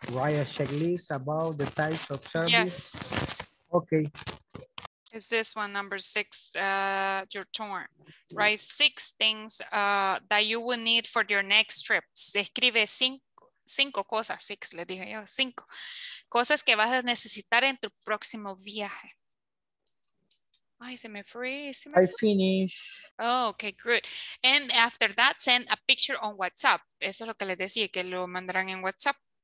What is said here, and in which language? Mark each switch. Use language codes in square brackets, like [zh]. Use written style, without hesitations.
[en] Write a checklist about the types of service. Yes. Okay. is this one, number six, your turn, right? Six things that you will need for your next trip. [es] Se escribe cinco cosas, six, le dije yo, cinco. Cosas que vas a necesitar en tu próximo viaje. Ay, se me fue. [en] I finish. Oh, okay, good. And after that, send a picture on WhatsApp. [es] Eso es lo que les decía, que lo mandarán en WhatsApp.